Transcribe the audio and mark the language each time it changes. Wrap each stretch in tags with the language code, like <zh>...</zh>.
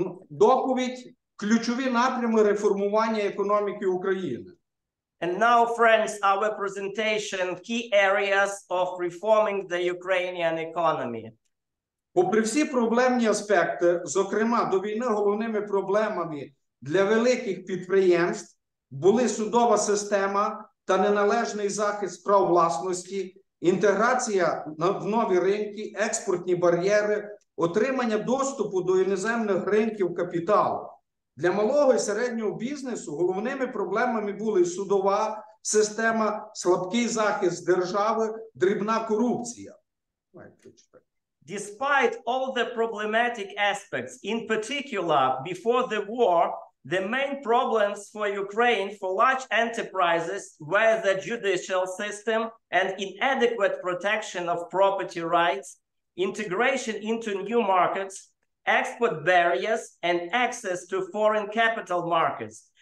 <uk>Доповідь – ключові напрями реформування економіки України.</uk> <en>And now, friends, our presentation – key areas of reforming the Ukrainian economy.</en> <uk>Попри всі проблемні аспекти, зокрема, до війни головними проблемами для великих підприємств були судова система та неналежний захист прав власності, інтеграція в нові ринки, експортні бар'єри, отримання доступу до іноземних ринків капіталу. Для малого і середнього бізнесу головними проблемами були судова система, слабкий захист держави, дрібна корупція.</uk> <en>Despite all the problematic aspects, in particular, before the war, the main problems for Ukraine for large enterprises were the judicial system and inadequate protection of property rights, integration into new markets, export barriers, and access to foreign capital markets.</en>